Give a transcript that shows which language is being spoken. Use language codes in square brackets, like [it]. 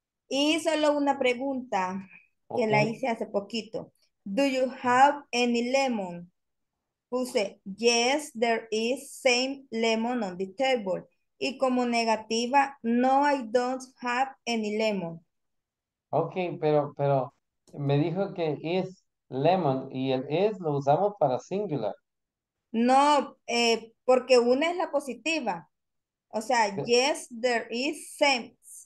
[es] Y solo una pregunta que okay. La hice hace poquito. [en] Do you have any lemon? [es] Puse, [en] yes, there is same lemon on the table. [es] Y como negativa, [en] no, I don't have any lemon. [es] Ok, pero me dijo que is lemon y el is lo usamos para singular. No, porque una es la positiva. O sea, [en] yes, there is same.